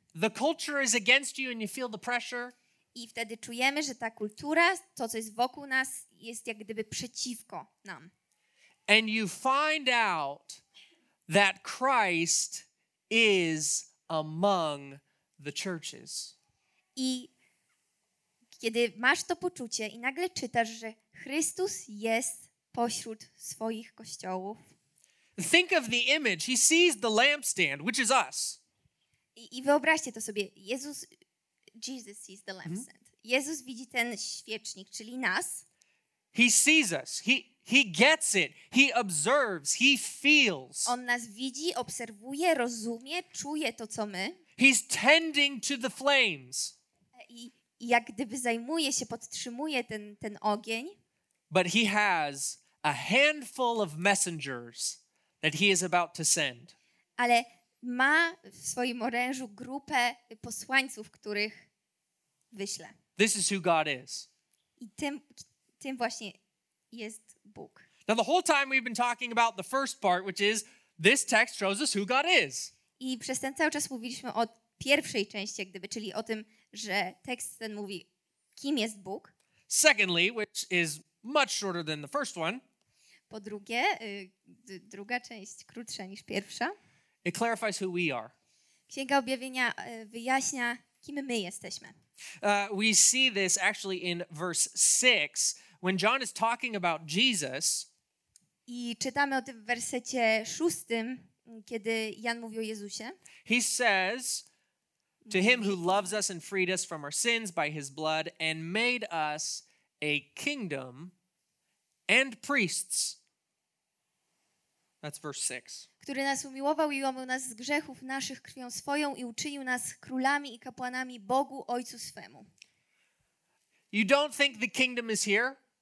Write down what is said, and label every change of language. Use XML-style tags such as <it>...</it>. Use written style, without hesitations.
<en>The culture is against you and you feel the pressure.</en> <pl>I wtedy czujemy, że ta kultura, to co jest wokół nas, jest jak gdyby przeciwko nam.</pl> <en>And you find out that Christ is among the churches.</en> <pl>I kiedy masz to poczucie i nagle czytasz, że Chrystus jest pośród swoich kościołów.</pl> <en>Think of the image. He sees the lampstand, which is us.</en> <pl>I wyobraźcie to sobie.</pl> <en>Jesus sees the lampstand. Mm-hmm.</en> <pl>Jezus widzi ten świecznik, czyli nas.</pl> <en>He sees us. He gets it. He observes. He feels.</en> <pl>On nas widzi, obserwuje, rozumie, czuje to, co my.</pl> <en>He's tending to the flames.</en> <pl>I jak gdyby zajmuje się, podtrzymuje ten ogień.</pl> <en>But he has a handful of messengers that he is about to send.</en> <pl>Ale ma w swoim orężu grupę posłańców, których wyśle.</pl> <en>This is who God is.</en> <pl>I tym właśnie jest Bóg.</pl> <en>Now the whole time we've been talking about the first part, which is this text shows us who God is.</en> <pl>I przez ten cały czas mówiliśmy o pierwszej części, gdyby, czyli o tym, że tekst ten mówi, kim jest Bóg.</pl> <en>Secondly, which is much shorter than the first one.</en> <pl>Po drugie, druga część krótsza niż pierwsza.</pl> <en>It clarifies who we are.</en> <pl>Księga Objawienia wyjaśnia, kim my jesteśmy.</pl> <en>We see this actually in verse 6. When John is talking about Jesus,</en> <pl>i czytamy o tym w wersecie szóstym, kiedy Jan mówi o Jezusie.</pl> <en>He says, to him who loves us and freed us from our sins by his blood and made us a kingdom and priests. That's verse 6.</en> <pl>Który nas umiłował i umył nas z grzechów naszych krwią swoją i uczynił nas królami i kapłanami Bogu Ojcu swemu.</pl> <en>You don't think the kingdom is here?</en>